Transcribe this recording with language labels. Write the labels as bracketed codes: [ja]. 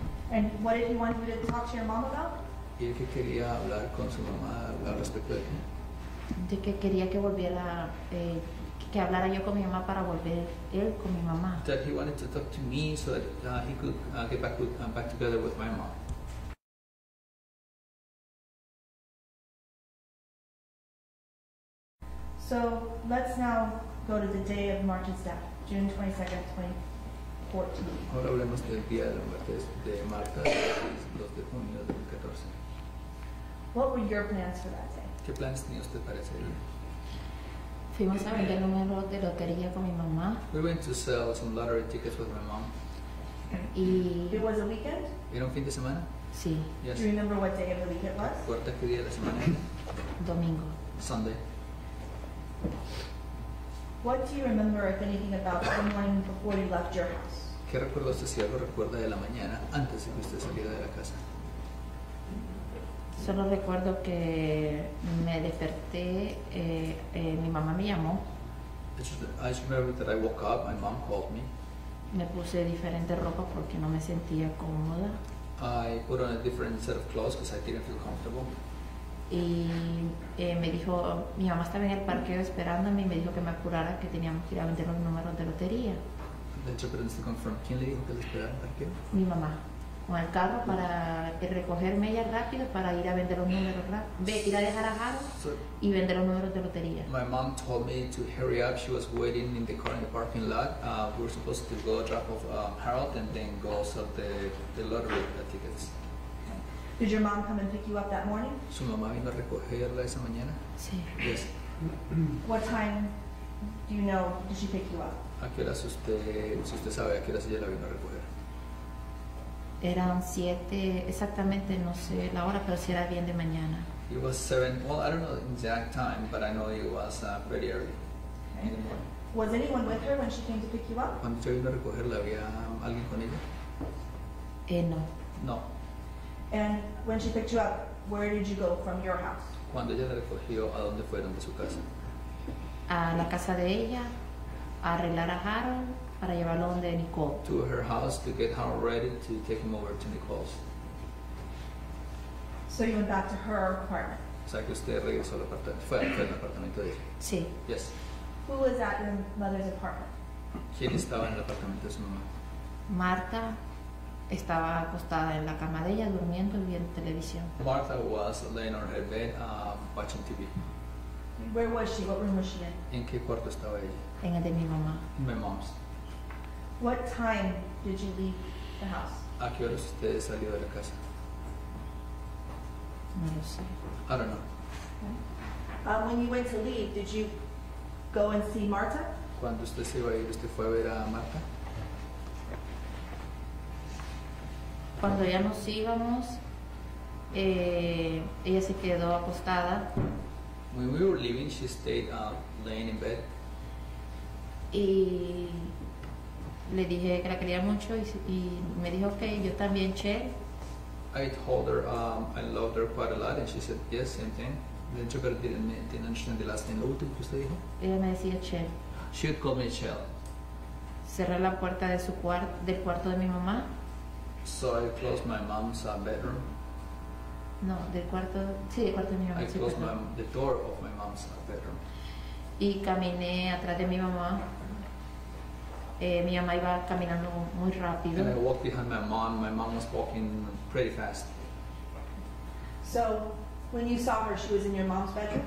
[en] And what did he want you to talk to your mom about? [es] ¿Y el que quería hablar con su mamá al respecto de qué? De que quería que volviera, que hablara yo con mi mamá para volver él con mi mamá. [en] That he wanted to talk to me so that he could get back together with my mom. So let's now go to the day of Marta's death, June 22nd, 2014. [es] Ahora hablemos del día de la muerte de Marta, el 2 de junio de 2014. [en] What were your plans for that day? [es] ¿Qué planes tenía usted para ese día? Fuimos a vender números de lotería con mi mamá. [en] We went to sell some lottery tickets with my mom. [es] Y [en] it was a weekend? [es] ¿Era un fin de semana? Sí. [en] Yes. Do you remember what day of the weekend was? [es] ¿Cuarta qué día de la semana? Domingo. [en] Sunday. What do you remember, if anything, about the morning before you left your house? [es] ¿Qué recuerda usted, si algo recuerda de la mañana antes de que usted saliera de la casa? Solo recuerdo que me desperté, mi mamá me llamó. [en] I just remember that I woke up, my mom called me. [es] Me puse diferente ropa porque no me sentía cómoda. [en] I put on a different set of clothes because I didn't feel comfortable. [es] Y me dijo, mi mamá estaba en el parqueo esperándome y me dijo que me apurara que teníamos que ir a vender los números de lotería. [en] The interpreter needs to confirm. [es] ¿Quién le dijo que le esperara en el parqueo? Mi mamá. Con el carro para recogerme ella rápido para ir a vender los números rápido. Ir a dejar a Jaro y vender los números de lotería. [en] My mom told me to hurry up. She was waiting in the car in the parking lot. We were supposed to go drop off Harold and then go sell the lottery tickets. Did your mom come and pick you up that morning? [es] ¿Su mamá vino a recogerla esa mañana? Sí. [en] Yes. What time do you know did she pick you up? [es] ¿A qué hora usted sabe a qué hora ella la vino a recoger? Eran 7, exactamente, no sé la hora, pero sí era bien de mañana. [en] It was 7, well, I don't know the exact time, but I know it was pretty early. Okay. Was anyone with her when she came to pick you up? [es] ¿Cuando usted vino a recogerla, había alguien con ella? No. [en] No. And when she picked you up, where did you go from your house? [es] Cuando ella la recogió, ¿a dónde fueron de su casa? A la casa de ella, arreglar a Harold para llevarlo donde Nicole. [en] To her house to get Harold ready to take him over to Nicole's. So you went back to her apartment? [es] O sea, que usted regresó al apartamento, fue al apartamento de ella. Sí. [en] Yes. Who was at your mother's apartment? [es] ¿Quién estaba en el apartamento de su mamá? Marta estaba acostada en la cama de ella, durmiendo y viendo televisión. [en] Martha was laying on her bed, watching TV. Where was she? What room was she in? [es] ¿En qué cuarto estaba ella? En el de mi mamá. [en] In my mom's. What time did you leave the house? [es] ¿A qué hora usted salió de la casa? No lo sé. [en] I don't know. Okay. When you went to leave, did you go and see Martha? [es] ¿Cuándo usted se iba a ir, usted fue a ver a Marta? Cuando ya nos íbamos, ella se quedó acostada. [en] When we were leaving, she stayed laying in bed. [es] Y le dije que la quería mucho y me dijo que okay, yo también, che. [en] I told her I loved her quite a lot and she said yes, same thing. The interpreter didn't understand the last name. [es] Lo último que usted dijo. Ella me decía che. [en] She would call me Michelle. [es] Cerré la puerta de su del cuarto de mi mamá. [en] So I closed my mom's bedroom. [es] No, del cuarto, sí, del cuarto de mi mamá. [en] I closed the door of my mom's bedroom. [es] Y caminé atrás de mi mamá. Mi mamá iba caminando muy rápido. [en] And I walked behind my mom. My mom was walking pretty fast. So when you saw her, she was in your mom's bedroom?